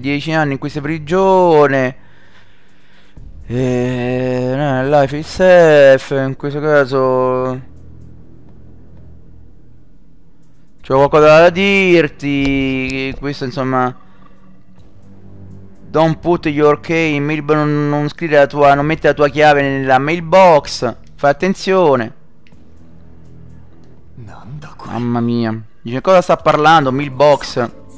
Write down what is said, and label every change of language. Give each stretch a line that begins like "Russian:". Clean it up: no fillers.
Italian: 10 anni in questa prigione.
English: Life is safe.
Italian: In questo caso c'ho qualcosa da dirti. Questo insomma,
English: don't put your key in mailbox.
Italian: Non scrivere la tua, non mettere la tua chiave nella mailbox. Fai attenzione. Mamma mia. Dice cosa sta parlando mailbox.